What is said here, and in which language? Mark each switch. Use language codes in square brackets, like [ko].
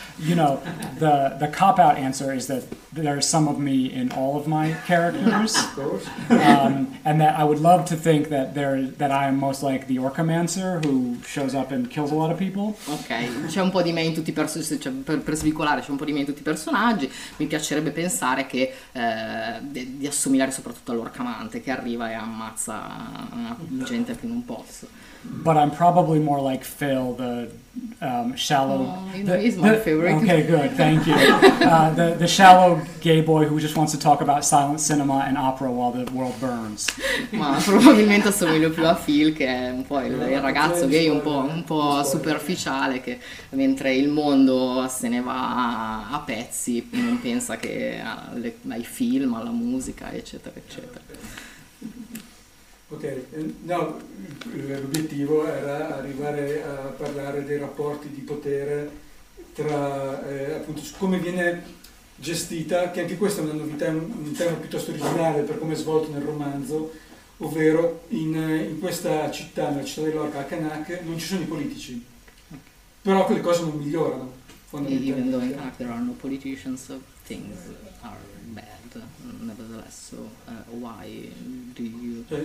[en] You know, the cop out answer is that there's some of me in all of my characters, and that I would love to think that I am most like the Orcamancer who shows up and kills a lot of people. [it] Okay, c'è un po' di me in tutti i personaggi, cioè per svicolare c'è un po' di me in tutti i personaggi. Mi piacerebbe pensare che di assomigliare soprattutto all'Orcamante che arriva e ammazza gente che non posso. [en] But I'm probably more like Phil, the shallow. He's my favorite. Okay, good. Thank you. The shallow gay boy who just wants to talk about silent cinema and opera while the world burns. [it] Ma probabilmente assomiglio più a Phil, che è un po' il ragazzo gay un po' superficiale, che mentre il mondo se ne va a pezzi non pensa che ai film, alla musica, eccetera, eccetera. Ok, no, l'obiettivo era arrivare a parlare dei rapporti di potere tra, appunto, come viene gestita, che anche questa è una novità, un tema piuttosto originale per come è svolto nel romanzo, ovvero in questa città, nella città di Lorca, a Canac, non ci sono i politici, però quelle cose non migliorano, fondamentalmente. [en] Even though in Canac there are no politicians, things are bad, nevertheless, so why do you...